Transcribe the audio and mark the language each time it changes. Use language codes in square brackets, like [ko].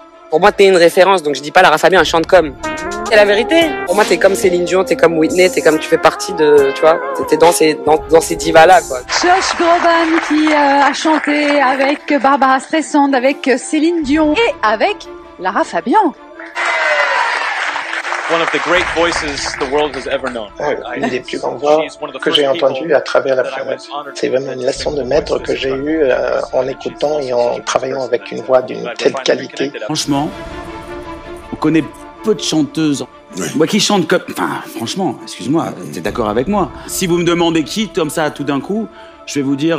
[fr] Pour moi, t'es une référence, donc je dis pas Lara Fabian, elle chante comme. C'est la vérité. Pour moi, t'es comme Céline Dion, t'es comme Whitney, t'es comme, tu fais partie de, tu vois, t'es dans ces divas-là, quoi. Josh Groban qui a chanté avec Barbara Streisand, avec Céline Dion et avec Lara Fabian. [en] One of the great voices the world has ever known. [fr] Une des plus grandes voix que j'ai entendues à travers la planète. C'est vraiment une leçon de maître que j'ai eue en écoutant et en travaillant avec une voix d'une telle qualité. Franchement, on connaît peu de chanteuses. Oui. Moi qui chante comme... Enfin, franchement, excuse-moi, t'es d'accord avec moi. Si vous me demandez qui, comme ça, tout d'un coup, je vais vous dire...